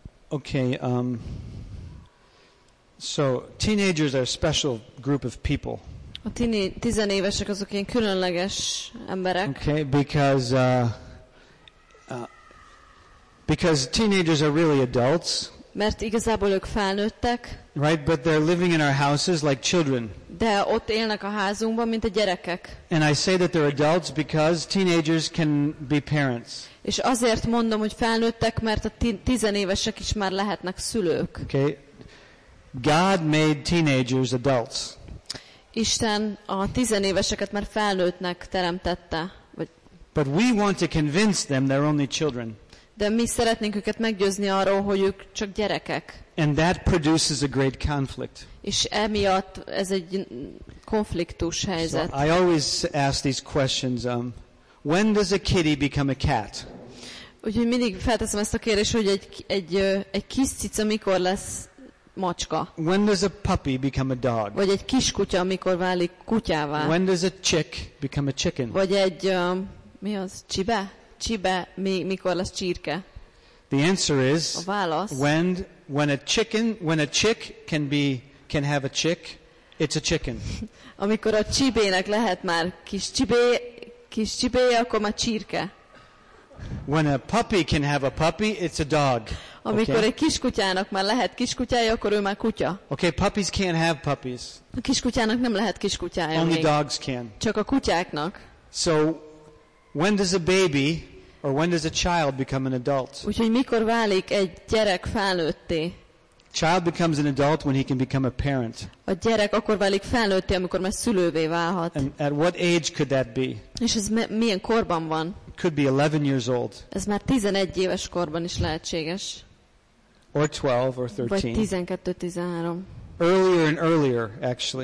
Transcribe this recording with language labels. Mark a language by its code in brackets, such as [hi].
[en] Okay, so teenagers are a special group of people. [hu] A tizenévesek azok ilyen különleges emberek. [en] Okay, because teenagers are really adults. [hu] Mert igazából ők felnőttek. [en] Right, but they're living in our houses like children. [hu] De ott élnek a házunkban, mint a gyerekek. [en] And I say that they're adults because teenagers can be parents. [hu] És azért mondom, hogy felnőttek, mert a tizenévesek is már lehetnek szülők. [en] Okay. God made teenagers adults. [hu] Isten a tizenéveseket már felnőttnek teremtette. Vagy... [en] But we want to convince them they're only children. [hu] De mi szeretnénk őket meggyőzni arról, hogy ők csak gyerekek. [en] And that produces a great conflict. [hu] És emiatt ez egy konfliktus helyzet. [en] So I always ask these questions. When does a kitty become a cat? [hu] Úgyhogy mindig felteszem ezt a kérdést, hogy egy kis cica mikor lesz macska? [en] When does a puppy become a dog? [hu] Vagy egy kis kutya mikor válik kutyává? [en] When does a chick become a chicken? [hu] Vagy egy mi az csibe? Csibe mikor lesz csirke? [en] The answer is [hu] a válasz, [en] when a chick can have a chick, it's a chicken. [hu] Amikor a csibének lehet már kis csibéje, akkor már csirke. [en] When a puppy can have a puppy, it's a dog. [hu] Amikor okay? Egy kiskutyának már lehet kiskutyája, akkor ő már kutya. [en] Okay, puppies can't have puppies. [hu] A kiskutyának nem lehet kiskutyája. [en] Only dogs can. [hu] Csak a kutyáknak. [en] So when does a baby or when does a child become an adult? [hu] Úgyhogy mikor válik egy gyerek felnőtté? [en] Child becomes an adult when he can become a parent. [hu] A gyerek akkor válik felnőtté, amikor már szülővé válhat. [en] And at what age could that be? [hu] És ez milyen korban van? [en] Could be 11 years old. [hu] Ez már 11 éves korban is lehetséges. [en] Or 12 or 13. [hu] Vagy 12-13. [en] Earlier and earlier actually.